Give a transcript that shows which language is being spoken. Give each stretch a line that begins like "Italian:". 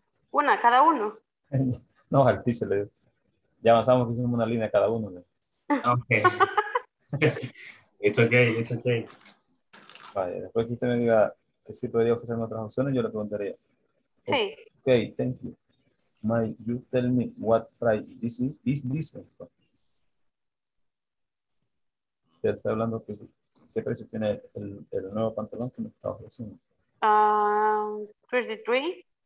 Spanish: ¿Una cada uno? No, al piso. Ya avanzamos que hicimos una línea cada uno.
English: Okay. It's okay.
Spanish: Vale, después que usted me diga que sí podría ofrecerme otras opciones, yo le preguntaría. Sí.
English: Okay, thank you. May you tell me what price this is? Is this?
Spanish: Ya está hablando que sí. ¿Qué precio tiene el nuevo pantalón que me está ofreciendo? $33.